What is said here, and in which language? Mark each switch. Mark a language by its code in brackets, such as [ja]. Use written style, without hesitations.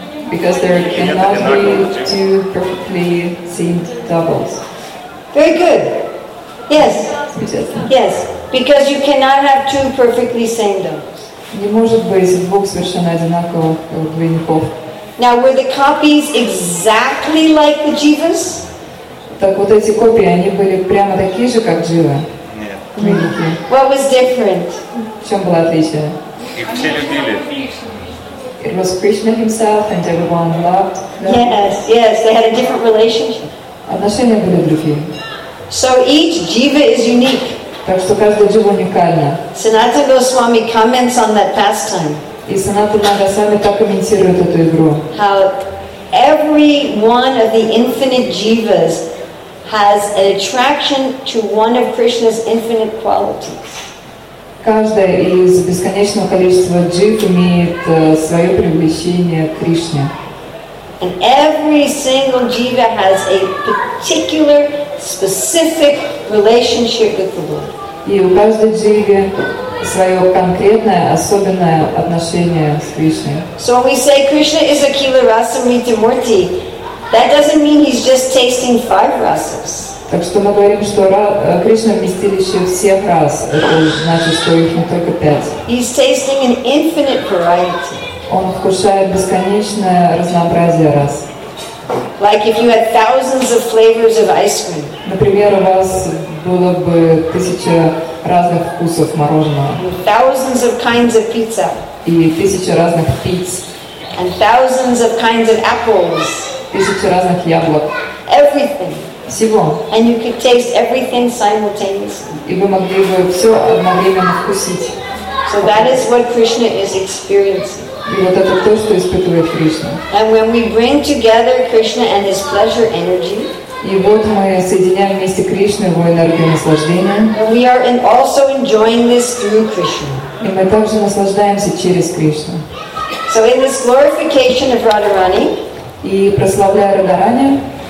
[en] Because there cannot be two perfectly seamed doubles. Very good. Yes, because you cannot have two perfectly same doubles. [ru] Не может быть двух совершенно одинаковых двойников. [en] Now, were the copies exactly like the jivas? [ru] Так вот эти копии, они были прямо такие же, как дживы? Нет. [en] What was different? [ru] В чем было отличие? Их все любили. [en] It was Krishna himself and everyone loved them. Yes, they had a different relationship. [ru] Отношения были другие. [en] So each jiva is unique. [ru] Так что каждая джива уникальна. [en] Sanatana Goswami comments on that pastime. [ru] И Санатана Госвами так комментирует эту игру. [en] How every one of the infinite jivas has an attraction to one of Krishna's infinite qualities. [ru] Каждая из бесконечного количества джив имеет свое привлечение к Кришне. [en] And every single jiva has a particular specific relationship with the Lord. [ru] И у каждой дживы своё конкретное, особенное отношение с Кришной. [en] So when we say Krishna is Akila Rasamrita Murti, that doesn't mean he's just tasting five rasas. [ru] Так что мы говорим, что Кришна вместилище всех рас. Это значит, что их не только пять. [en] He's tasting an infinite variety. [ru] Он вкушает бесконечное разнообразие рас. [en] Like if you had thousands of flavors of ice cream. [ru] Например, у вас было бы тысяча разных вкусов мороженого. [en] Thousands of kinds of pizza. [ru] И тысяча разных пиц. [en] And thousands of kinds of apples. [ru] Тысяча разных яблок. [en] Everything. [ru] Всего. [en] And you could taste everything simultaneously. [ru] И вы могли бы все одновременно вкусить. [en] So that is what Krishna is experiencing. [ru] И вот это то, что испытывает Кришна. [en] And when we bring together Krishna and his pleasure energy, [ru] и вот мы соединяем вместе Кришну и его энергию наслаждения, [en] and we are also enjoying this through Krishna. [ru] И мы также наслаждаемся через Кришну. [en] So in this glorification of Radharani, [ru] и прославляя Радхарани,